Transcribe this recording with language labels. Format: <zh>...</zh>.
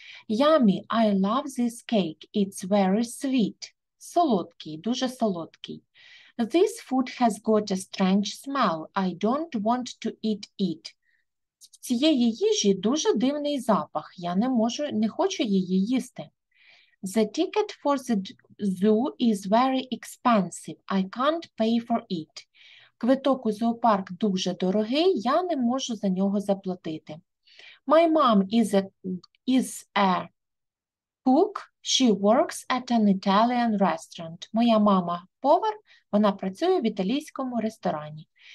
<en>Yummy. I love this cake. It's very sweet.</en> <uk>Солодкий. Дуже солодкий.</uk> <en>This food has got a strange smell. I don't want to eat it.</en> <uk>В цієї їжі дуже дивний запах. Я не хочу її їсти.</uk> <en>The ticket for the zoo is very expensive. I can't pay for it.</en> <uk>Квиток у зоопарк дуже дорогий. Я не можу за нього заплатити.</uk> <en>My mom is a cook. She works at an Italian restaurant.</en> <uk>Моя мама повар. Вона працює в італійському ресторані.</uk>